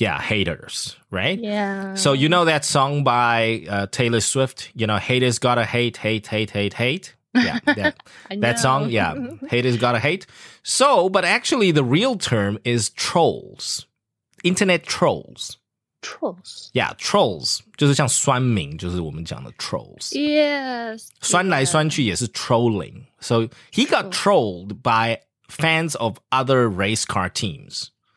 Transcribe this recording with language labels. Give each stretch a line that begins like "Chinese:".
English: Yeah, haters. Right. Yeah. So you know that song by Taylor Swift? You know, haters gotta hate. Yeah, that song. Yeah, haters gotta hate. So, but actually, the real term is trolls. Internet trolls. Trolls. Yeah, trolls.
Chinese: 就是像酸民,就是我们讲的 trolls.
English: Yes.
Chinese: 酸来酸去也是 trolling.
English: So he got trolled by fans of other race car teams.